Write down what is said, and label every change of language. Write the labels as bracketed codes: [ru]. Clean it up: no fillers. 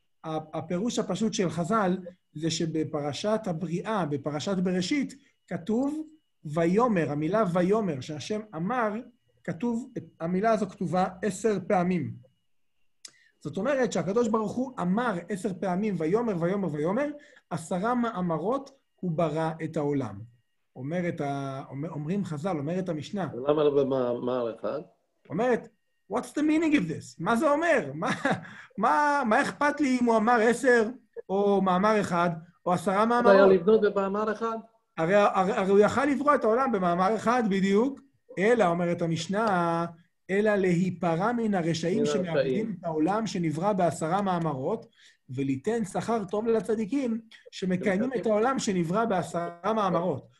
[he] הפירוש הפשוט של חז"ל זה שבפרשת הבריאה, בפרשת בראשית, כתוב ויומר, המילה ויומר, שהשם אמר, כתוב, המילה הזו כתובה 10 פעמים. זאת אומרת שהקדוש ברוך הוא אמר 10 פעמים, ויומר, ויומר, ויומר, 10 מאמרות הוא ברא את העולם. אומרים חז"ל, אומרת המשנה. למה לא במאמר אחד? [en] אומרת, what's the meaning of this? [he] מה זה אומר? מה אכפת לי אם הוא אמר 10 או מאמר אחד, או 10 מאמרות? הוא היה לבנות במאמר אחד? הרי הוא יכל לברוא את העולם במאמר אחד בדיוק, אלא, אומרת המשנה, אלא להיפרע מן הרשעים שמאבדים את העולם שנברא ב10 מאמרות, וליתן שכר טוב לצדיקים שמקיימים את העולם שנברא ב10 מאמרות.